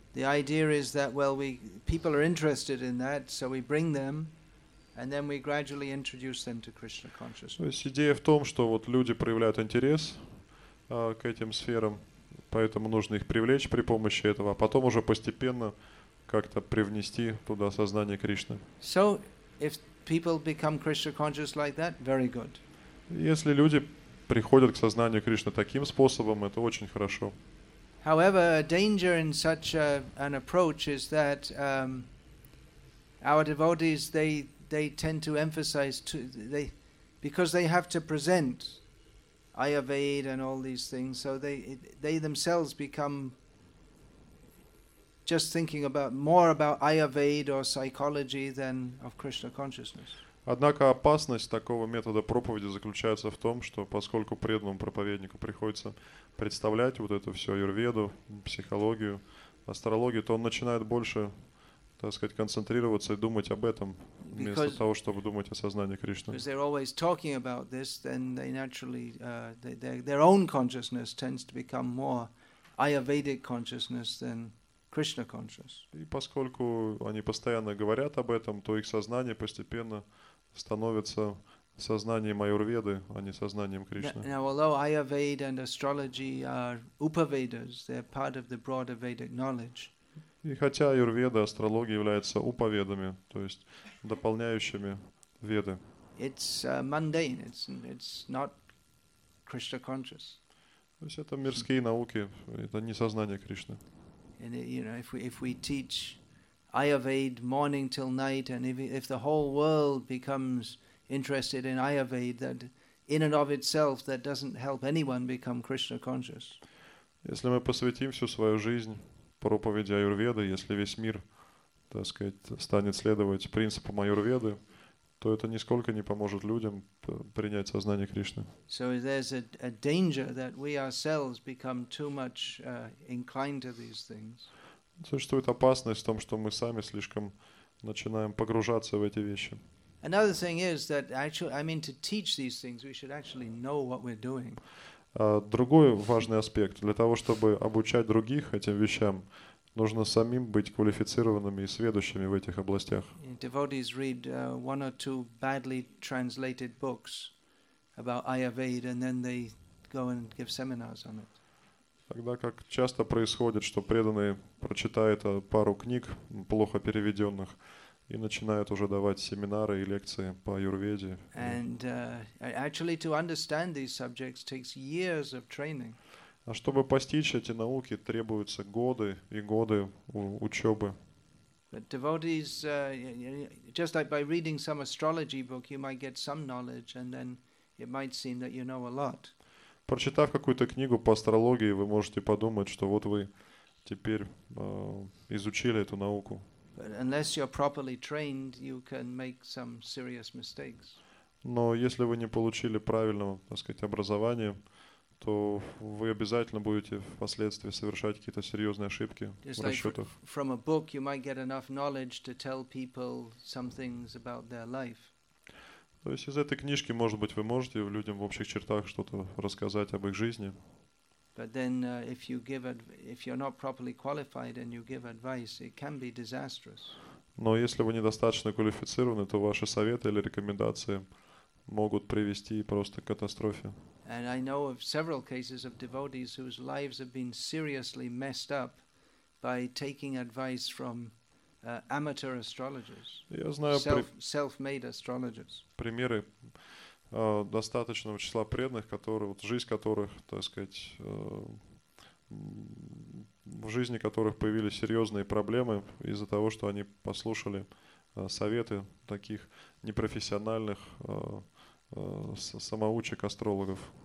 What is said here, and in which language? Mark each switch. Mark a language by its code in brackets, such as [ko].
[en] The idea is that, well, people are interested in that, so we bring them, And then we gradually introduce them to Krishna consciousness. [ru] То есть идея в том, что вот люди проявляют интерес к этим сферам, поэтому нужно их привлечь при помощи этого, а потом уже постепенно как-то привнести туда сознание Кришны. [en] So if people become Krishna conscious like that, very good. [ru] Если люди приходят к сознанию Кришны таким способом, это очень хорошо. [en] However, a danger in such an approach is that our devotees, they tend to emphasize to they because they have to present Ayurveda and all these things, so they themselves become just thinking about more about Ayurveda or psychology than of Krishna consciousness. [ru] Однако опасность такого метода проповеди заключается в том, что поскольку преданному проповеднику приходится представлять вот это все аюрведу, психологию, астрологию, то он начинает больше, так сказать, концентрироваться и думать об этом, вместо [en] because, [ru] того, чтобы думать о сознании Кришны. [en] Because they're always talking about this, then they naturally, their own consciousness tends to become more Ayurvedic consciousness than Krishna consciousness. [ru] И поскольку они постоянно говорят об этом, то их сознание постепенно становится сознанием аюрведы, а не сознанием Кришны. [en] Now, although Ayurveda and astrology are Upavedas, they're part of the broader Vedic knowledge. [ru] И хотя аюрведа, астрология являются уповедами, то есть дополняющими веды. [en] It's mundane. It's not Krishna conscious. [ru] То есть это мирские науки, это не сознание Кришны. [en] And you know, if we teach Ayurveda morning till night, and if the whole world becomes interested in Ayurveda, that in and of itself that doesn't help anyone become Krishna conscious. [ru] Если мы посвятим всю свою жизнь проповеди аюрведы, если весь мир, так сказать, станет следовать принципам аюрведы, то это нисколько не поможет людям принять сознание Кришны. [en] So there's a danger that we ourselves become too much inclined to these things. [ru] Существует опасность в том, что мы сами слишком начинаем погружаться в эти вещи. [en] Another thing is that actually, I mean, to teach these things, we should actually know what we're doing. [ru] Другой важный аспект. Для того, чтобы обучать других этим вещам, нужно самим быть квалифицированными и сведущими в этих областях. [en] Devotees read one or two badly translated books about Ayurveda, and then they go and give seminars on it. [ru] Тогда как часто происходит, что преданные прочитают пару книг, плохо переведенных, и начинают уже давать семинары и лекции по аюрведе. [en] And actually to understand these subjects takes years of training. [ru] А чтобы постичь эти науки, требуются годы и годы учебы. [en] But devotees, just like by reading some astrology book, you might get some knowledge, and then it might seem that you know a lot. [ru] Прочитав какую-то книгу по астрологии, вы можете подумать, что вот вы теперь изучили эту науку. [en] But unless you're properly trained, you can make some serious mistakes. [ru] Но если вы не получили правильного, так сказать, образования, то вы обязательно будете впоследствии совершать какие-то серьезные ошибки [en] just [ru] в расчетах. [en] Like from a book, you might get enough knowledge to tell people some things about their life. [ru] То есть из этой книжки, может быть, вы можете людям в общих чертах что-то рассказать об их жизни. [en] But then if you're not properly qualified and you give advice, it can be disastrous. [ru] Но если вы недостаточно квалифицированы, то ваши советы или рекомендации могут привести просто к катастрофе. [en] And I know of several cases of devotees whose lives have been seriously messed up by taking advice from amateur astrologers. [ru] Я знаю [en] self-made astrologers. [ru] Примеры достаточного числа преданных, которые вот жизнь которых, так сказать, в жизни которых появились серьезные проблемы из-за того, что они послушали советы таких непрофессиональных самоучек астрологов.